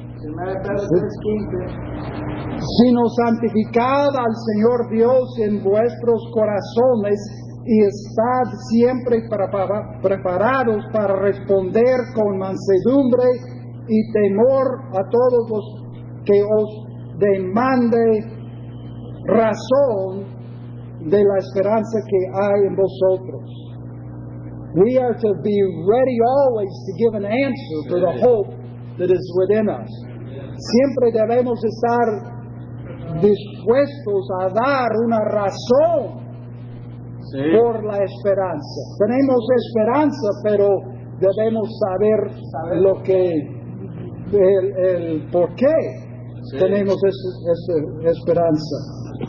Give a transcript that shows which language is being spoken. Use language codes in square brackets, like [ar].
[es] Sino santificad al Señor Dios en vuestros corazones y estad siempre preparados para responder con mansedumbre y temor a todos los que os demande razón de la esperanza que hay en vosotros. [en] We are to be ready always to give an answer for the hope that is within us. [es] Siempre debemos estar dispuestos a dar una razón por la esperanza. Tenemos esperanza, pero debemos saber lo que el por qué tenemos esa esperanza.